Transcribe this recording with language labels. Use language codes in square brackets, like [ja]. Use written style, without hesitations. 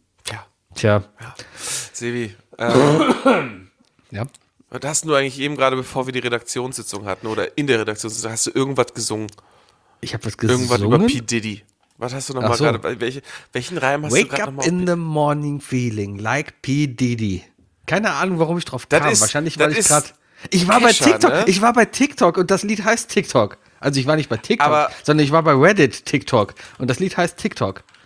[de] Ja. Tja. Ja. Sevi. Ja. Was hast du eigentlich eben gerade, bevor wir die Redaktionssitzung hatten oder in der Redaktionssitzung, hast du irgendwas gesungen? Ich habe was gesungen? Irgendwas über P. Diddy. Was hast du nochmal gerade? Welchen Reim hast [en] Wake [de] du gerade nochmal? [en] Wake up in the morning feeling like P. Diddy. [de] Keine Ahnung, warum ich drauf kam. Wahrscheinlich, weil ich gerade... Ich war Kescher, bei TikTok. Ne? Ich war bei TikTok und das Lied heißt TikTok. Also ich war nicht bei TikTok, sondern ich war bei Reddit TikTok. Und das Lied heißt TikTok.